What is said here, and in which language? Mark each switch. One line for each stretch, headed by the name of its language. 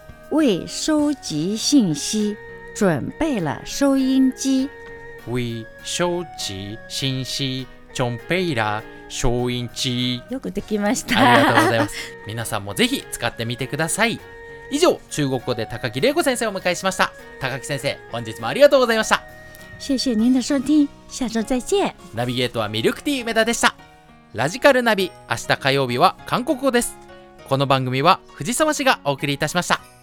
Chinese: 为收集信息准备了收音机、为收集信息准备了收音机、
Japanese: よくできました。ありがとうございます。皆さんもぜひ使ってみてください。以上、中国語で高木玲子先生をお迎えしました。高木先生、本日もありがとうございました。
Chinese: 谢谢您的收听、下周再见。
Japanese: ナビゲートはミルクティー梅田でした。ラジカルナビ、明日火曜日は韓国語です。この番組は藤沢氏がお送りいたしました。